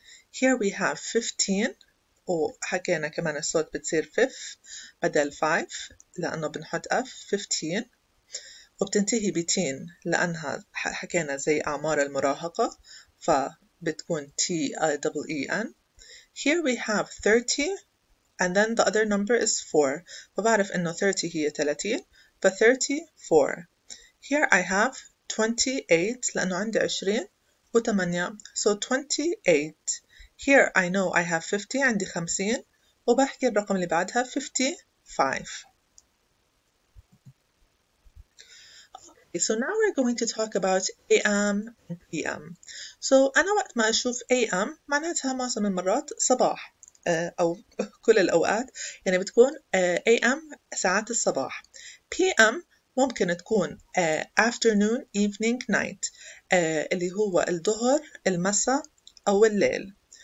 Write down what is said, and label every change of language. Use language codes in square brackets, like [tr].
[en] Here we have 15. [ar] وحكينا كمان الصوت بتصير 5 بدل 5 لأنه بنحط F 15. وبتنتهي ب teen لأنها حكينا زي أعمار المراهقة فبتكون T I E N. [en] Here we have 30, and then the other number is 4. [ar] فبعرف إنه 30 هي 30, ف34. [en] Here I have 28, [ar] لأنه عندي 20 وثمانية, [en] so 28. Here I know I have 50, [ar] عندي 50, [en] وبحكي الرقم اللي بعدها 55. Okay, so now we're going to talk about AM and PM. [ar] So أنا وقت ما أشوف AM معناتها معظم المرات صباح أو كل الأوقات يعني بتكون AM ساعات الصباح. PM ممكن تكون [en] afternoon, evening, night [ar] اللي هو الظهر, المساء أو الليل.